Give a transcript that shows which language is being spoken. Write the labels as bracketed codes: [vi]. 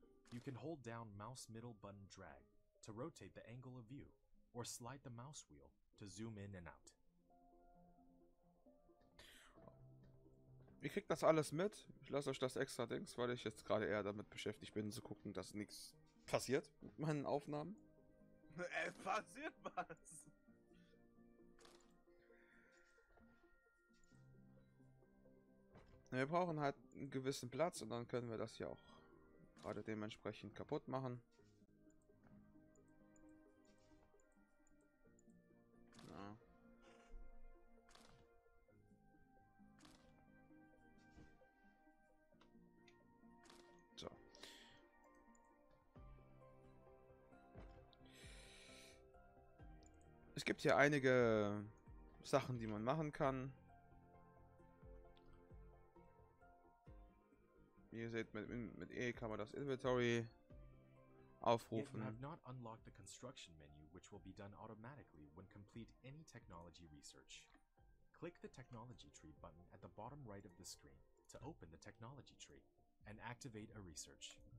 [en] You can hold down mouse middle button drag to rotate the angle of view, or slide the mouse wheel to zoom in and out. [de] Ihr kriegt das alles mit. Ich lasse euch das extra Dings, weil ich jetzt gerade eher damit beschäftigt bin, zu gucken, dass nichts passiert mit meinen Aufnahmen. Passiert was? Wir brauchen halt einen gewissen Platz und dann können wir das hier auch gerade dementsprechend kaputt machen. Na. Es gibt hier einige Sachen, die man machen kann. Wie ihr seht, mit E kann man das Inventory aufrufen. [en] You have not unlocked the construction menu, which will be done automatically when complete any technology research. Click the technology tree button at the bottom right of the screen to open the technology tree and activate a research.